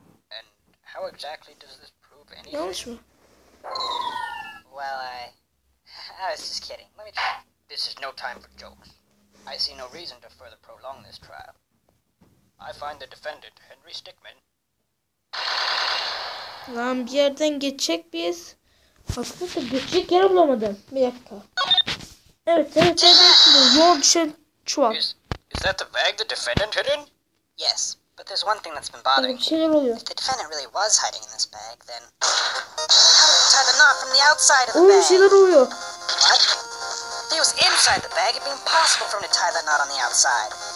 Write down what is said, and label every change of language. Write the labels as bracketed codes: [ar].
[en] And how exactly does this prove anything? [tr] Yanlış mı? [en] Well, I was just kidding. Let me try. This is no time for jokes. I see no reason to further prolong this trial. I find the defendant, Henry Stickmin. [tr] Lan bir yerden geçecek miyiz? Aslında geçecek yer bulamadım. Bir dakika. Evet, evet, evet. Yol düşen çuval. [en] Is that the bag the defendant hid in? Yes, but there's one thing that's been bothering [tr] me. Şeyler oluyor. [en] If the defendant really was hiding in this bag, then... How did he tie the knot from the outside of the bag? [tr] Oy, şeyler oluyor. [en] What? If he was inside the bag, it'd be impossible for him to tie the knot on the outside.